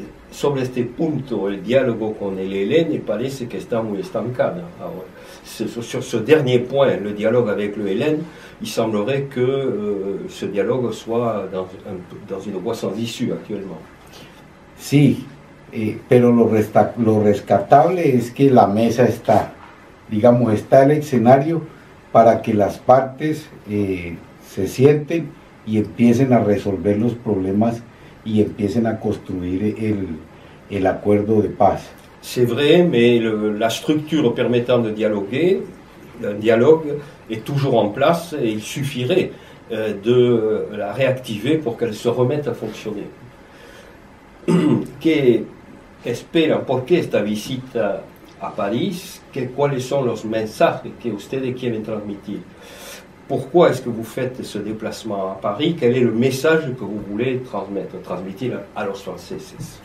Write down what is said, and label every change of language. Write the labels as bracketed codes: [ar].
[es] Sobre este punto, el diálogo con el ELN parece que está muy estancado. [fr] Sur ce dernier point, le dialogue avec le ELN, il semblerait que ce dialogue soit dans une voie sans issue actuellement. [es] Sí, pero lo rescatable es que la mesa está, digamos, está el escenario para que las partes se sienten y empiecen a resolver los problemas y empiecen a construir [fr] et l'accord de paix. C'est vrai, mais la structure permettant de dialoguer, un dialogue, est toujours en place et il suffirait de la réactiver pour qu'elle se remette à fonctionner. [es] Qu'espera, por qué esta visita a París? ¿Cuáles son los mensajes que ustedes quieren transmitir? [fr] Pourquoi est-ce que vous faites ce déplacement à Paris? Quel est le message que vous voulez transmettre, transmettre à [es] los franceses?